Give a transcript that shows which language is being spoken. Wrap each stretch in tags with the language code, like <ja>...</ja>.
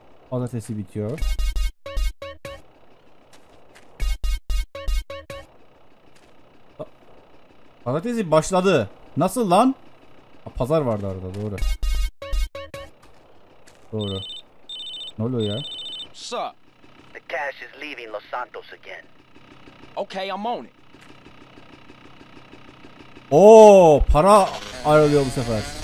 <tr>Pazartesi bitiyor. Pazartesi başladı. Nasıl lan? Pazar vardı arada, doğru. Doğru. Ne oluyor ya?</tr> <en>Sup? The cash is leaving Los Santos again. Okay, I'm on it.</en> <tr>Oo, para ayrılıyor bu sefer.</tr>